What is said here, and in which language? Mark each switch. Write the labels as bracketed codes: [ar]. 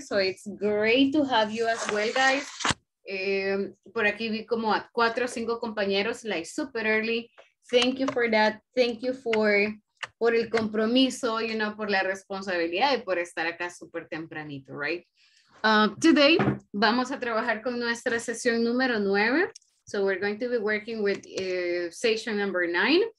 [en] So it's great to have you as well, guys. [es] Por aquí vi como a 4 o 5 compañeros, [en] like super early. Thank you for that. Thank you [es] por el compromiso, [en] you know, [es] por la responsabilidad y por estar acá súper tempranito, right? Today, vamos a trabajar con nuestra sesión número 9. [en] So we're going to be working with session number 9.